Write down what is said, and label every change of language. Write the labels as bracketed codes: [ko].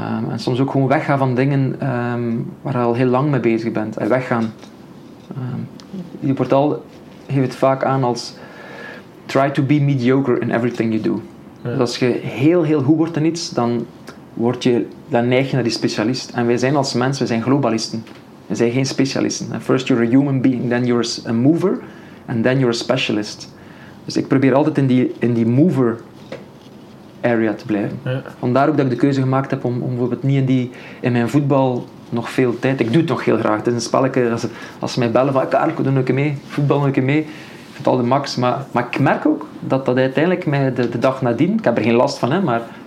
[nl] En soms ook gewoon weggaan van dingen waar je al heel lang mee bezig bent. En weggaan. Je portaal geeft het vaak aan als [en] try to be mediocre in everything you do. [nl] Ja. Dus als je heel, heel goed wordt in iets, dan neig je naar die specialist. En wij zijn als mens, we zijn globalisten. We zijn geen specialisten. [en] First you're a human being, then you're a mover, and then you're a specialist. [nl] Dus ik probeer altijd in die mover area te blijven. Ja. Vandaar ook dat ik de keuze gemaakt heb om bijvoorbeeld niet in mijn voetbal nog veel tijd. Ik doe het nog heel graag. Het is een spelletje. Als ze mij bellen van Karel, doe een keer mee. Voetbal een keer mee. Ik vind het al de max. Maar ik merk ook dat uiteindelijk mij de dag nadien, ik heb er geen last van, hè, maar